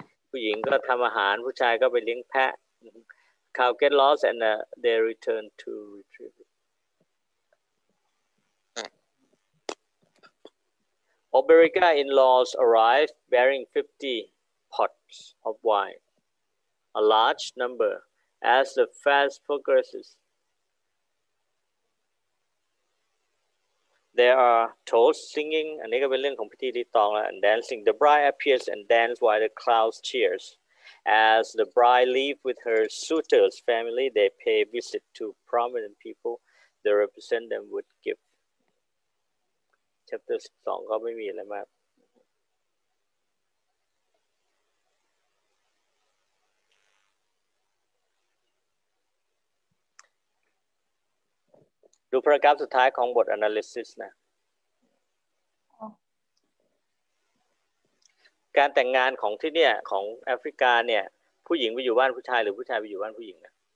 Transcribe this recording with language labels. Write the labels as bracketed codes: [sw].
[th] ผู้หญิงก็ทำอาหารผู้ชายก็ไปเลี้ยงแพะ [en] cow get lost and they return to retrieve it Oberica in-laws arrive bearing 50 pots of wine a large numberAs the fast progresses, there are toasts, singing, [th] อันนี้ก็เป็นเรื่องของพิธีรีตองแล้ว [en] and dancing. The bride appears and dances while the crowd cheers. As the bride leaves with her suitor's family, they pay visit to prominent people. They represent them with gifts. [th] Chapter 12ก็ไม่มีอะไรมากดูพารากราฟสุดท้ายของบท analysis นะการแต่งงานของที่เนี่ยของแอฟริกาเนี่ยผู้หญิงไปอยู่บ้านผู้ชายหรือผู้ชายไปอยู่บ้านผู้หญิงนะ